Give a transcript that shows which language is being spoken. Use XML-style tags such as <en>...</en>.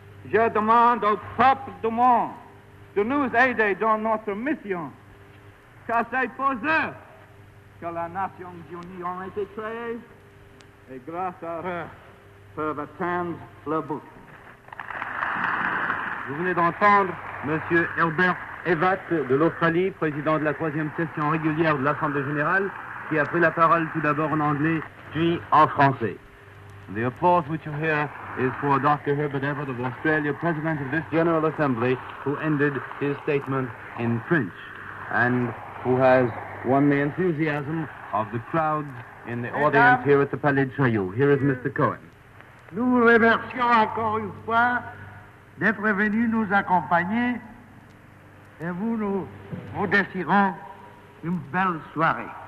<fr>Je demande au peuple du monde de nous aider dans notre mission, car c'est pour eux que les Nations Unies ont été créées et grâce à eux peuvent atteindre le but. Vous venez d'entendre M. Herbert Evatt de l'Australie, président de la troisième session régulière de l'Assemblée générale, qui a pris la parole tout d'abord en anglais, puis en français.</fr> <en>The applause which you hear is for Dr. Herbert Evatt of Australia, president of this General Assembly, who ended his statement in French, and who has won the enthusiasm of the crowd in the audience here at the Palais de Chaillot. Here is Mr. Cohen.</en> <fr>Nous vous remercions encore une fois d'être venus nous accompagner. Et vous, nous vous désirons une belle soirée.</fr>